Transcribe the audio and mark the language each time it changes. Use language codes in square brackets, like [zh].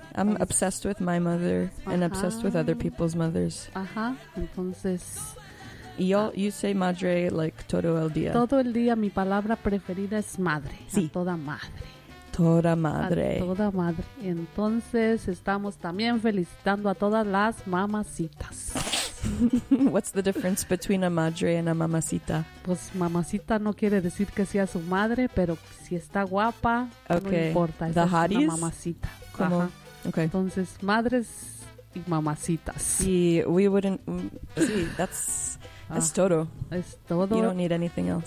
[en] I'm obsessed with my mother and obsessed with other people's mothers. [es] Ajá, entonces... Y yo, [en] you say [es] madre [en] like [es] todo el día. Todo el día, mi palabra preferida es madre. Sí. A toda madre. Toda madre. A toda madre. Entonces, estamos también felicitando a todas las mamacitas. [en] What's the difference between a madre and a mamacita? [es] Pues mamacita no quiere decir que sea su madre, pero si está guapa, [en] okay. [es] No importa. Esa [en] the hotties? [es] Es una mamacita. ¿Cómo? Okay. Entonces, madres y mamacitas. Sí, [en] we wouldn't... [es] Sí, [en] that's... [es] Es todo. Es todo. [en] You don't need anything else.